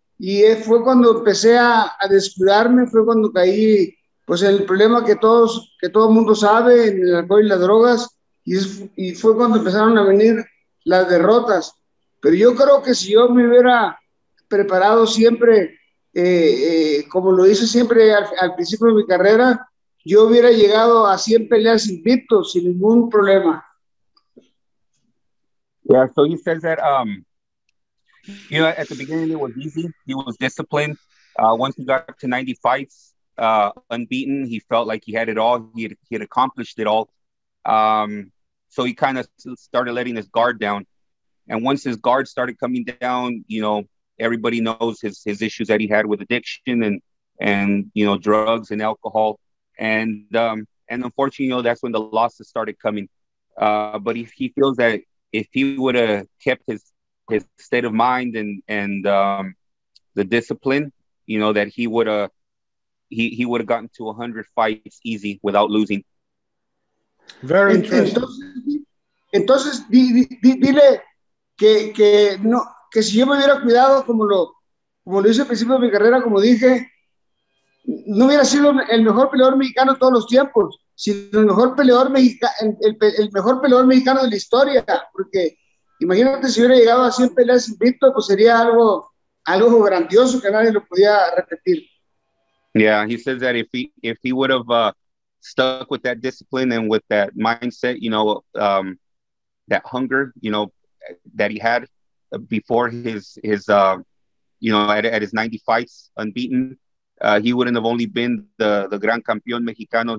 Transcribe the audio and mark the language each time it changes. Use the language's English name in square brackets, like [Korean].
[Spanish] Y fue cuando empecé a descuidarme, fue cuando caí pues, en el problema que todo mundo sabe, en el alcohol y las drogas, y fue cuando empezaron a venir las derrotas. Pero yo creo que si yo me hubiera preparado siempre, como lo hice siempre al principio de mi carrera, yo hubiera llegado a 100 peleas invicto sin ningún problema. [English] Yeah, so he says that, you know, at the beginning it was easy. He was disciplined. Once he got to 90 fights, unbeaten, he felt like he had it all. He had accomplished it all. So he kind of started letting his guard down. And once his guard started coming down, you know, everybody knows his issues that he had with addiction and you know, drugs and alcohol. And unfortunately, you know, that's when the losses started coming. But he feels that if he would have kept his state of mind and the discipline, you know, that he would have gotten to 100 fights easy without losing. Very interesting. [Spanish] Entonces, dile que si yo me hubiera cuidado como lo hice al principio de mi carrera, como dije, no hubiera sido el mejor peleador mexicano de todos los tiempos, sino el mejor peleador mexicano de la historia, porque imagínate si hubiera llegado a 100 peleas invicto, pues sería algo grandioso que nadie lo podía repetir. [English] Yeah, he says that if he would have stuck with that discipline and with that mindset, you know, that hunger, you know, that he had before his at his 90 fights unbeaten, he wouldn't have only been the Gran Campeón Mexicano.